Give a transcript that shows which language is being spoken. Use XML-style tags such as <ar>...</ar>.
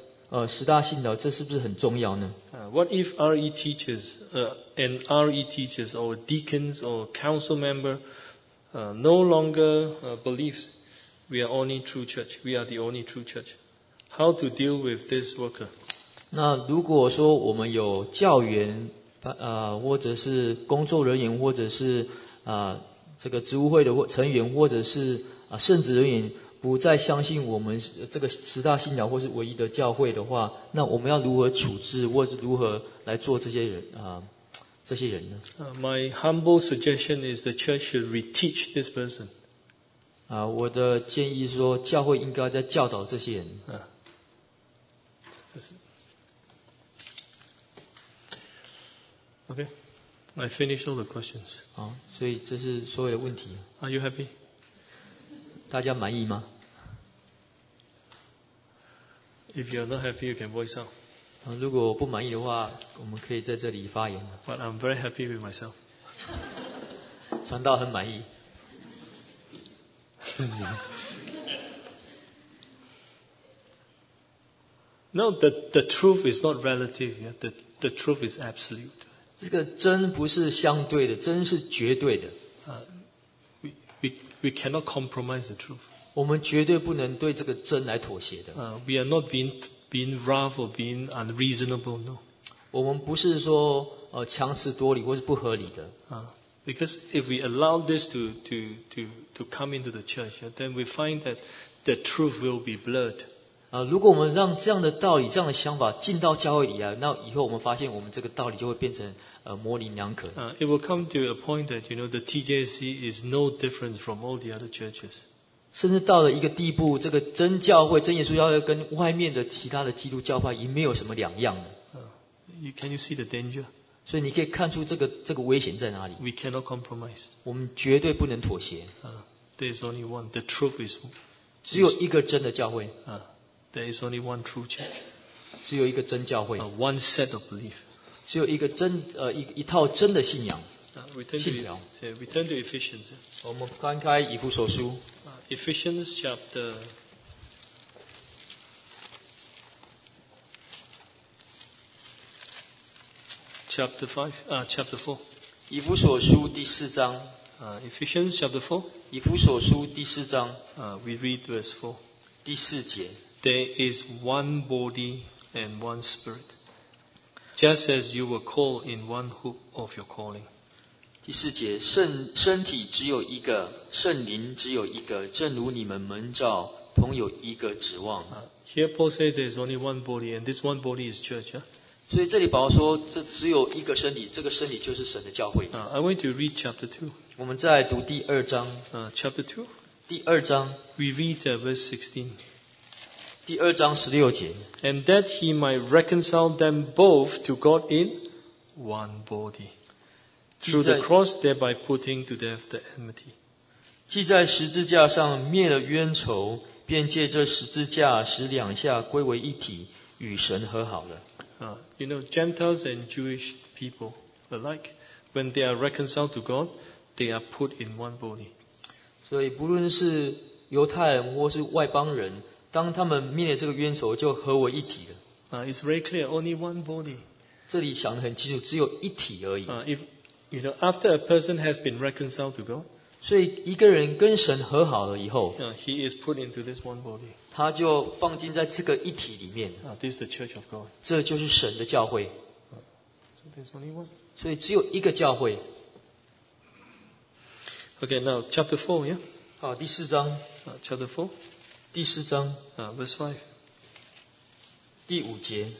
<zh>一个教会的工人或是宗教教育的教员，相信我们的十大教义，十大信条，这是不是很重要呢？</zh> <en>What if RE teachers, and RE teachers or deacons or council member, no longer believe we are only true church, we are the only true church? How to deal with this worker?</en> <zh>那如果说我们有教员，或者是工作人员，或者是。这个职务会的成员或者是圣职人员不再相信我们这个十大信条或是唯一的教会的话，那我们要如何处置或是如何来做这些人呢？</zh> <en>My humble suggestion is the church should reteach this person.</en> <zh>我的建议说教会应该在教导这些人。</zh> <en>OK, I finish all the questions.</en> <zh>好，所以这是所有的问题。</zh> <en>Are you happy?</en> <zh>大家满意吗？</zh> <en>If you are not happy, you can voice out.</en> <zh>如果不满意的话，我们可以在这里发言。</zh> <en>But I'm very happy with myself.</en> <zh>传道很满意。</zh> <en>No, the truth is not relative. Yeah? The truth is absolute.</en> <zh>这个真不是相对的，真是绝对的。</zh> <en>We cannot compromise the truth.</en> <zh>我们绝对不能对这个真来妥协的。</zh> <en>We are not being rough or being unreasonable, no.</en> <zh>我们不是说强词夺理或是不合理的。</zh> <en>Because if we allow this to come into the church, then we find that the truth will be blurred.</en> <zh>如果我们让这样的道理、这样的想法进到教会里啊，那以后我们发现我们这个道理就会变成模棱两可。</zh> <en>It will come to a point that, you know, the TJC is no different from all the other churches.</en> <zh>甚至到了一个地步，这个真教会、真耶稣教会跟外面的其他的基督教派已经没有什么两样了。</zh> <en>Can you see the danger?</en> <zh>所以你可以看出这个危险在哪里。</zh> <en>We cannot compromise.</en> <zh>我们绝对不能妥协。</zh> <en>There is only one. The truth is.</en> <zh>只有一个真的教会。</zh> <en>There is only one true church.</en> <zh>只有一个真教会。</zh> <en>One set of belief.</en> <zh>只有一个真一套真的信仰。信条。</zh> <en>We turn to Ephesians.</en> <zh>我们翻开以弗所书。</zh> <en>Ephesians chapter 4.</en> <zh>以弗所书第四章。</zh> <en>Ephesians chapter 4.</en> <zh>以弗所书第四章。</zh> <en>We read verse 4.</en> <zh>第四节。</zh> <en>There is one body and one spirit, just as you were called in one hope of your calling.</en> <zh>第四节，身体只有一个，圣灵只有一个，正如你们蒙召同有一个指望。</zh> <en>Here Paul says there is only one body, and this one body is church. Yeah.</en> <zh>所以这里保罗说，这只有一个身体，这个身体就是神的教会。</zh> <en>I want to read chapter 2.</en> <zh>我们再来读第二章。</zh> <en>Chapter 2.</en> <zh>第二章。</zh> <en>We read verse 16.</en> <zh>第二章十六节。</zh> <en>And that he might reconcile them both to God in one body. Through the cross, thereby putting to death the enmity.</en> <zh>既在十字架上灭了冤仇，便借这十字架使两下归为一体，与神和好了。</zh> <en>You know, Gentiles and Jewish people alike, when they are reconciled to God, they are put in one body.</en> <zh>所以不论是犹太人或是外邦人，当他们灭了这个冤仇，就合为一体了。</zh> <en>It's very clear, only one body.</en> <zh>这里想得很清楚，只有一体而已。</zh> <en>You know, after a person has been reconciled to God,</en> <zh>所以一个人跟神和好了以后</zh> <en>he is put into this one body.</en> <zh>他就放进在这个一体里面。</zh> <en>This is the church of God.</en> <zh>这就是神的教会。</zh> <en>So there's only one.</en> <zh>所以只有一个教会。</zh> <en>Okay, now chapter 4, yeah?</en> <zh>第四章。</zh> <en>Chapter 4.</en> <zh>第四章。</zh> <en>Verse 5.</en> <zh>第五节。</zh>